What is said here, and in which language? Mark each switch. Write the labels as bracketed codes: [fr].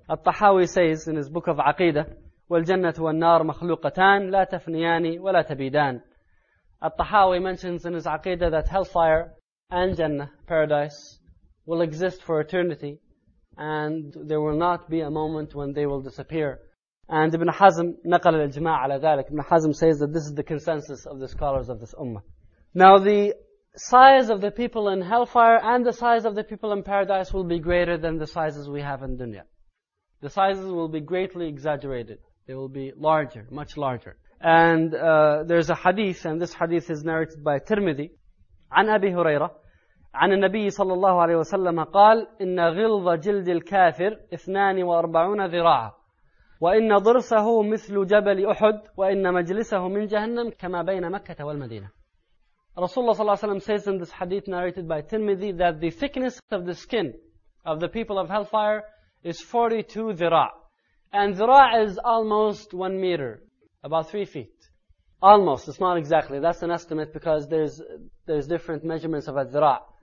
[en] At-Tahawi says in his book of Aqidah, [ar] وَالْجَنَّةُ وَالنَّارُ مَخْلُوقَتَانِ لَا تَفْنِيَانِ وَلَا تَبِيدَانِ. [en] At-Tahawi mentions in his Aqidah that hellfire and Jannah, paradise, will exist for eternity, and there will not be a moment when they will disappear. [ar] And Ibn Hazm نقل الإجماع على ذلك. [en] Ibn Hazm says that this is the consensus of the scholars of this ummah. Now the size of the people in hellfire and the size of the people in paradise will be greater than the sizes we have in dunya. The sizes will be greatly exaggerated. They will be larger, much larger. And there's a hadith, and this hadith is narrated by Tirmidhi, [ar] عن أبي هريرة عن النبي صلى الله عليه وسلم قال إن غلظ جلد الكافر 42 ذراعا وإن ضرسه مثل جبل أحد وإن مجلسه من جهنم كما بين مكة والمدينة. [en] Rasulullah sallallahu alayhi wa sallam says in this hadith narrated by Tirmidhi that the thickness of the skin of the people of hellfire is 42 dhira'. And dhira' is almost 1 meter, about 3 feet. Almost, it's not exactly. That's an estimate because there's different measurements of a dhira'.